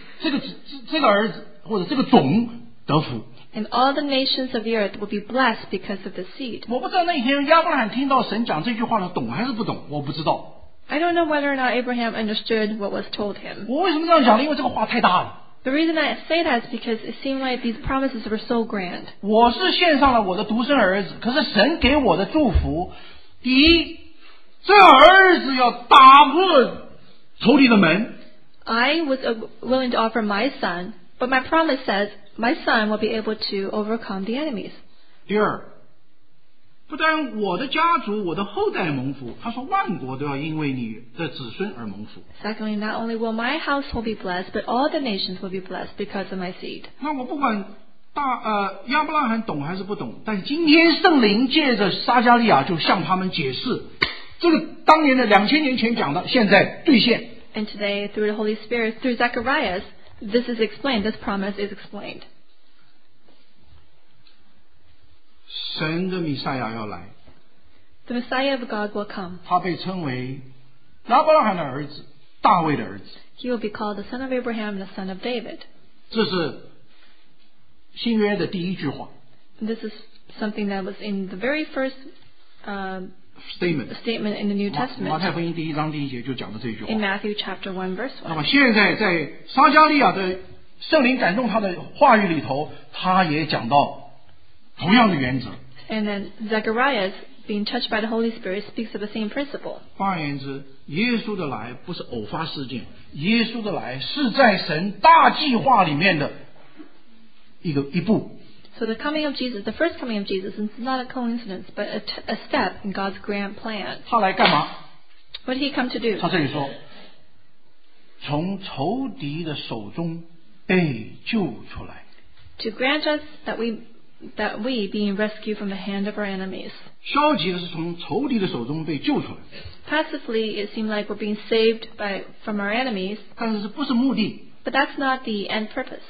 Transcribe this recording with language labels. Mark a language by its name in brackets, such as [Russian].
[Chinese] 而且地上的万国因为这个儿子或者这个种得福。 [English] And all the nations of the earth will be blessed because of the seed. [Chinese] 我不知道那天亚伯拉罕听到神讲这句话的懂还是不懂,我不知道。 [English] I don't know whether or not Abraham understood what was told him. [Chinese] 我为什么这样讲,因为这个话太大了。 [English] The reason I say that is because it seemed like these promises were so grand. [Chinese] 我是献上了我的独生儿子,可是神给我的祝福,第一,这儿子要打破仇敌的门。 [English] I was willing to offer my son, but my promise says my son will be able to overcome the enemies. [Chinese] 第二, 不但我的家族, 我的后代蒙福, 他说万国都要因为你的子孙而蒙福。 [English] Secondly, not only will my household be blessed, but all the nations will be blessed because of my seed. [Chinese] 那我不管亚伯拉罕懂还是不懂, 但今天圣灵借着撒加利亚就向他们解释, 这个当年的2000年前讲的, 现在兑现。 [English] And today, through the Holy Spirit, through Zacharias, this is explained, this promise is explained. [Chinese] 神的弥赛亚要来, [English] the Messiah of God will come. [Chinese] 他被称为亚伯拉罕的儿子,大卫的儿子。 [English] He will be called the son of Abraham and the son of David. [Chinese] 这是新约的第一句话。 [English] This is something that was in the very first statement in the New Testament. [Chinese] 马太福音第一章第一节就讲了这句话。 [English] In Matthew chapter 1 verse 1. [Chinese] 那么现在在撒加利亚的圣灵感动他的话语里头, 他也讲到 同样的原则, [English] and then Zacharias, being touched by the Holy Spirit, speaks of the same principle. [Chinese] 换言之, 耶稣的来不是偶发事件, 耶稣的来是在神大计划里面的一步。 [English] So the coming of Jesus, the first coming of Jesus, is not a coincidence, but a step in God's grand plan. [Chinese] 他来干嘛? [English] What did he come to do? [Chinese] 他这里说, 从仇敌的手中被救出来。 [English] To grant us that we... that we being rescued from the hand of our enemies. [Chinese] 消极的是从仇敌的手中被救出来。 [English] Passively, it seemed like we're being saved by from our enemies. [Chinese] 但是不是目的。 [English] But that's not the end purpose.